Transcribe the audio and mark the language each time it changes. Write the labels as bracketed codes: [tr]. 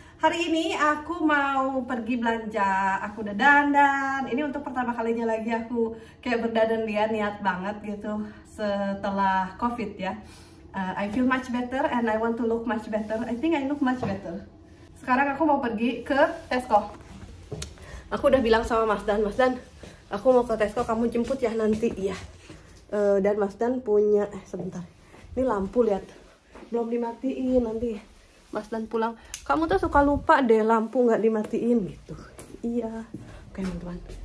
[id] Hari ini aku mau pergi belanja. Aku udah dandan. Ini untuk pertama kalinya lagi aku kayak berdandan dia, niat banget gitu setelah COVID ya. [en] I feel much better and I want to look much better. I think I look much better. [id] Sekarang aku mau pergi ke Tesco. Aku udah bilang sama Mas Dan, aku mau ke Tesco, kamu jemput ya nanti. Iya. Dan Mas Dan punya sebentar. Ini lampu lihat. Belum dimatiin nanti. Mas Dan pulang. Kamu tuh suka lupa deh lampu enggak dimatiin gitu. Iya. Oke, teman-teman.